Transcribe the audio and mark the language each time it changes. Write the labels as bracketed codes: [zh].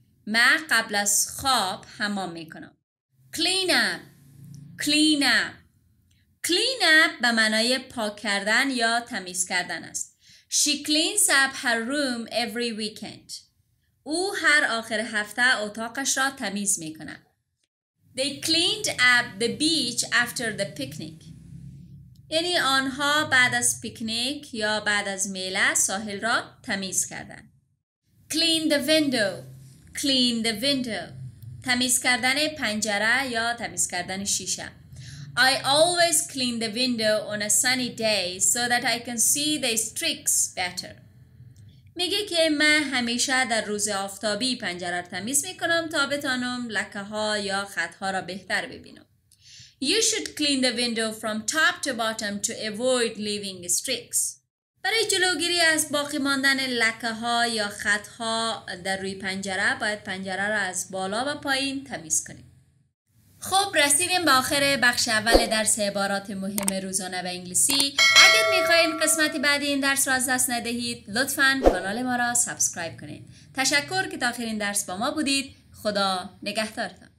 [fa] من قبل از خواب حمام می کنم. [en] Clean up. Clean up. Clean up [fa] به معنای پاک کردن یا تمیز کردن است. [en] She cleans up her room every weekend. [fa] او هر آخر هفته اتاقش را تمیز می کند. [en] They cleaned up the beach after the picnic. [fa] یعنی آنها بعد از پیکنیک یا بعد از میله ساحل را تمیز کردند. [en] Clean the window. Clean the window. [fa] تمیز کردن پنجره یا تمیز کردن شیشه. [en] I always clean the window on a sunny day so that I can see the streaks better. [fa] میگه که من همیشه در روز آفتابی پنجره تمیز میکنم تا بتانم لکه ها یا خط ها را بهتر ببینم. [en] You should clean the window from top to bottom to avoid leaving streaks. [fa] برای جلوگیری از باقی ماندن لکه ها یا خط ها در روی پنجره باید پنجره را از بالا و پایین تمیز کنیم. خب رسیدیم به آخر بخش اول درس عبارات مهم روزانه و انگلیسی. اگر میخواین قسمت بعدی این درس را از دست ندهید لطفاً کانال ما را سابسکرایب کنید. تشکر که تا آخرین درس با ما بودید. خدا نگهدارتان.